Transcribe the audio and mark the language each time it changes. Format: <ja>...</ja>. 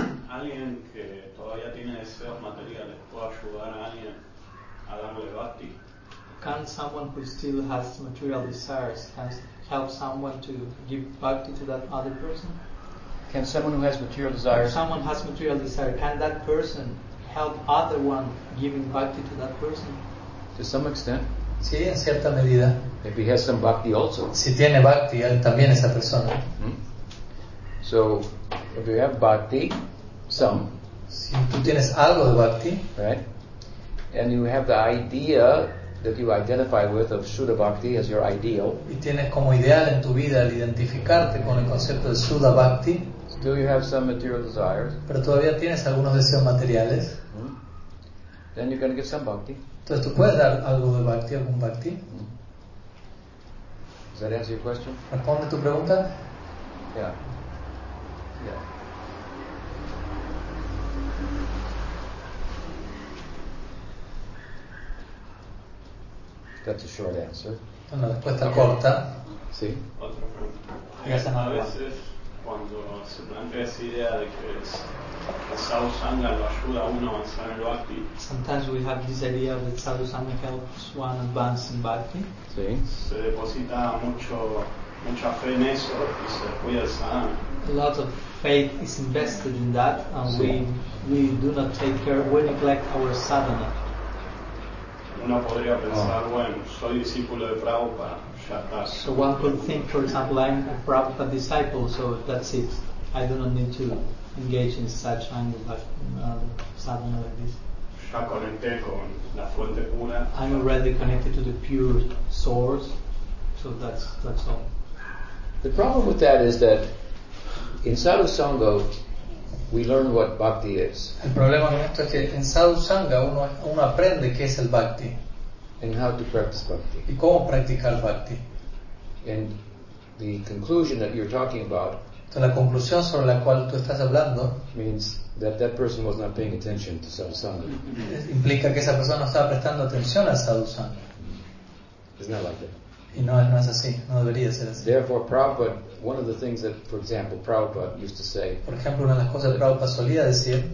<es>Alguien que todavía tiene deseos materiales puede ayudar a alguien a darle bhakti.</es> <en>Can someone who still has material desires help someone to give bhakti to that other person? Can someone who has material desires? If someone has material desire, can that person help other one giving bhakti to that person? To some extent.</en> <es>Sí, en cierta medida.</es> <en>If he has some bhakti also.</en> <es>Si tiene bhakti, él también esa persona.</es> <en>So, if you have bhakti, some.</en> <es>Si tú tienes algo de bhakti,</es> <en>right? And you have the idea that you identify with of Shuddha bhakti as your ideal.</en> <es>Y tienes como ideal en tu vida el identificarte con el concepto de Shuddha bhakti.</es> <en>Still, you have some material desires.</en> <es>Pero todavía tienes algunos deseos materiales.</es> <en>Then you can give some bhakti.</en> <es>Entonces, tú puedes dar algo de bhakti, algún bhakti.</es> <en>Does that answer your question?</en> <es>Responde tu pregunta.</es> <en>Yeah. That's a short answer.</en> <es>Una respuesta corta. Sí. Otra pregunta. A veces, cuando se plantea esa idea de que el Sadhu Sangha lo ayuda a uno a avanzar en el bhakti.</es> <en>Sometimes we have this idea that Sadhu Sangha helps one advance in bhakti.</en> <es>Sí. Se deposita mucha fe en eso y se cuida el sadhana.</es> <en>A lot of faith is invested in that, and</en> <es>sí.</es> <en>we do not take care, we neglect our sadhana.</en> <es>Uno podría pensar, bueno, soy discípulo de Prabhupada, ya está.</es> <en>So one could think, for example, I'm a Prabhupada disciple, so that's it. I do not need to engage in such angle, sadhana like this.</en> <es>Ya conecté con la fuente pura.</es> <en>I'm already connected to the pure source, so that's all. The problem with that is that in sadhu sangha, we learn what bhakti is.</en> <es>El problema con esto es que en sadhu sangha uno aprende qué es el bhakti.</es> <en>And how to practice bhakti.</en> <es>Y cómo practicar bhakti.</es> <en>And the conclusion that you're talking about.</en> <es>Entonces, la conclusión sobre la cual tú estás hablando</es> <en>means that that person was not paying attention to sadhu sangha.</en> <es>Implica que esa persona no estaba prestando atención al sadhu sangha.</es> <en>It's not like that.</en> <es>Y no, no es así, no debería ser así.</es> <en>Therefore, Prabhupada, one of the things that, for example, Prabhupada used to say,</en> <es>por ejemplo, una de las cosas que Prabhupada solía decir,</es>